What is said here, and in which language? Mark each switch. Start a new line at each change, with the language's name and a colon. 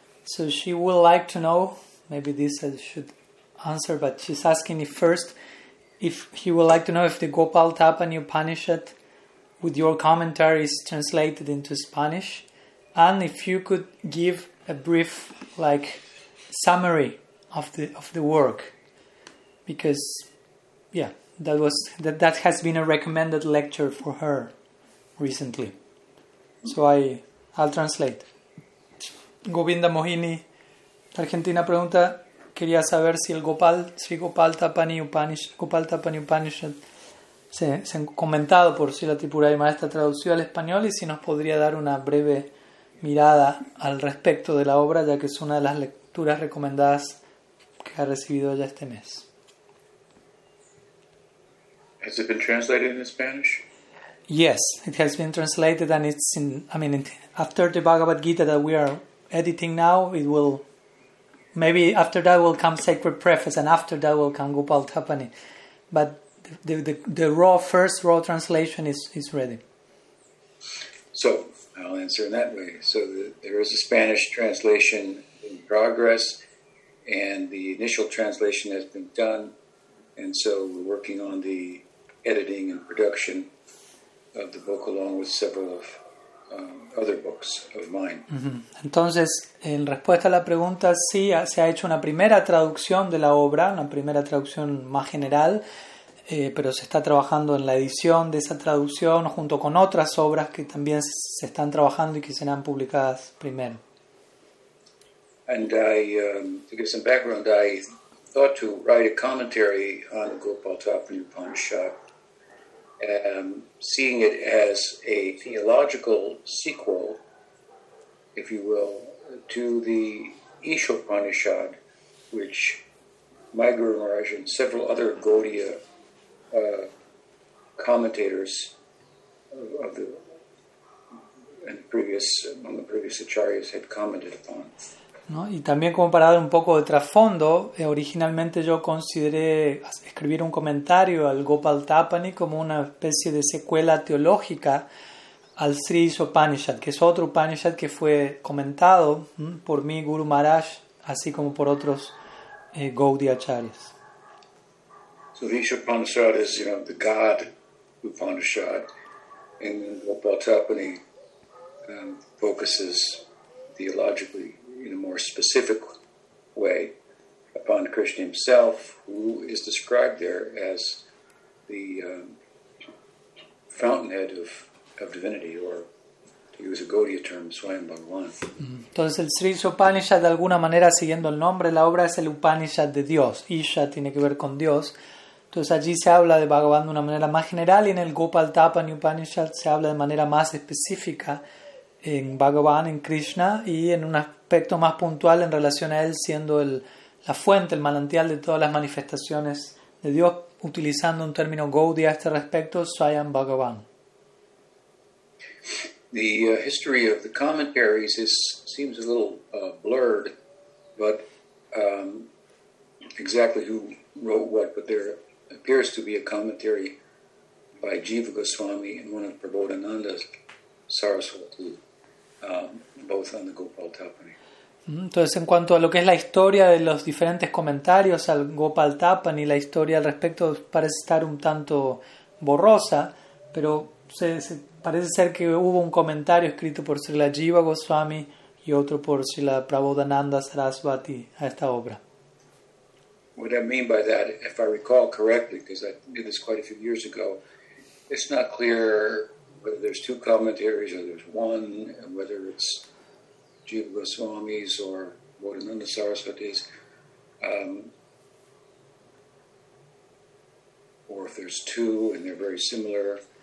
English: So she would like to know, maybe this I should answer, but she's asking if he would like to know if the Gopal Tapa New Upanishad with your commentary is translated into Spanish, and if you could give a brief summary of the work, because that has been a recommended lecture for her recently. So I'll translate.
Spanish: Govinda Mohini, Argentina, pregunta, quería saber si Gopal Tapani Upanishad se comentado por Srila Tripurari Maestra traducido al español, y si nos podría dar una breve mirada al respecto de la obra, ya que es una de las lecturas recomendadas que ha recibido ya este mes.
English: Has it been translated in Spanish? Yes, it has been translated, and it's in, after the Bhagavad Gita that we are editing now, it will, maybe after that will come Sacred Preface, and after that will come Gopal Tapani. But the first raw translation is ready. So, I'll answer in that way. So, there is a Spanish translation in progress, and the initial translation has been done, and so we're working on the editing and production of the book, along with several of other books of mine. Mm-hmm.
Spanish: Entonces, en respuesta a la pregunta, sí, se ha hecho una primera traducción de la obra, una primera traducción más general, pero se está trabajando en la edición de esa traducción junto con otras obras que también se están trabajando y que serán publicadas primero.
English: And to give some background, I thought to write a commentary on Gopal Tapani Upanishad, seeing it as a theological sequel, if you will, to the Ishopanishad, which my Guru Maharaj and several other Gaudiya commentators among the previous acharyas had commented upon.
Spanish: ¿No? Y también como para dar un poco de trasfondo, originalmente yo consideré escribir un comentario al Gopal Tapani como una especie de secuela teológica al Sri Upanishad, que es otro Upanishad que fue comentado por mi Guru Maharaj, así como por otros Gaudiya Acharyas.
English: So the Upanishad is, you know, the God Upanishad, and Gopal Tapani focuses theologically in a more specific way upon Krishna himself, who is described there as the fountainhead of divinity, or to use a Gaudiya term, Swayam Bhagavan.
Spanish: Entonces el Sri Upanishad, de alguna manera siguiendo el nombre, la obra es el Upanishad de Dios. Isha tiene que ver con Dios. Entonces allí se habla de Bhagavan de una manera más general, y en el Gopal Tapani Upanishad se habla de manera más específica en Bhagavan, en Krishna, y en un aspecto más puntual en relación a él siendo la fuente, el manantial de todas las manifestaciones de Dios, utilizando un término Gaudiya a este respecto, Swayam Bhagavan.
English: The history of the commentaries seems a little blurred, but exactly who wrote what, but there appears to be a commentary by Jiva Goswami and one of Prabodhananda's Saraswati. Both on the Gopal Tapani.
Spanish: Entonces, en cuanto a lo que es la historia de los diferentes comentarios al Gopal Tapani, la historia al respecto parece estar un tanto borrosa, pero parece ser que hubo un comentario escrito por Srila Jiva Goswami y otro por Srila Prabodhananda Sarasvati a esta obra.
English: What I mean by that, if I recall correctly, because I did this quite a few years ago, it's not clear whether there's two commentaries or there's one, and whether it's Jiva Goswami's or Bodhananda Saraswati's, or if there's two and they're very similar.